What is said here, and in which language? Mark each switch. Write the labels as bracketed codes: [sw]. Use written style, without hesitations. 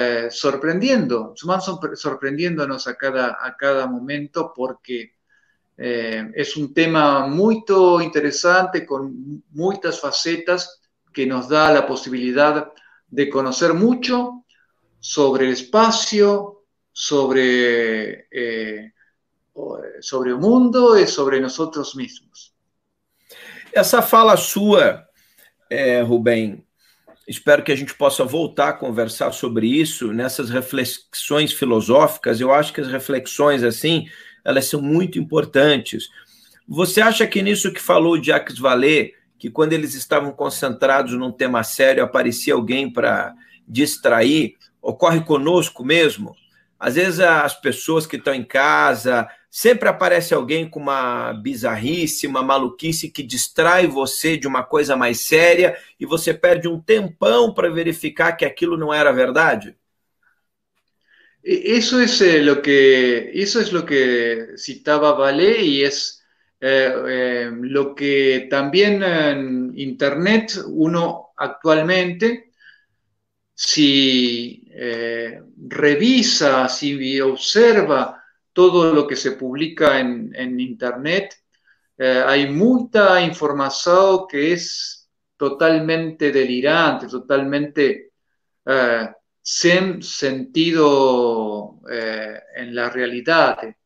[es] sorprendiendo, van sorprendiéndonos a cada momento porque es un tema muy interesante con muchas facetas que nos da la posibilidad de conocer mucho sobre el espacio, [pt] sobre o mundo e sobre [es] nosotros [pt] mesmos. Essa fala sua, Rubem, espero que a gente possa voltar a conversar sobre isso, nessas reflexões filosóficas. Eu acho que as reflexões, assim, elas são muito importantes. Você acha que nisso que falou o Jacques Vallée, que quando eles estavam concentrados num tema sério, aparecia alguém para distrair, ocorre conosco mesmo? Às vezes, as pessoas que estão em casa... Sempre aparece alguém com uma bizarrice, uma maluquice que distrai você de uma coisa mais séria e você perde um tempão para verificar que aquilo não era verdade? [es] Eso es lo que citaba Vallée y es lo que también en Internet uno actualmente, si revisa, si observa todo lo que se publica en Internet, hay mucha información que es totalmente delirante, totalmente sin sentido en la realidad.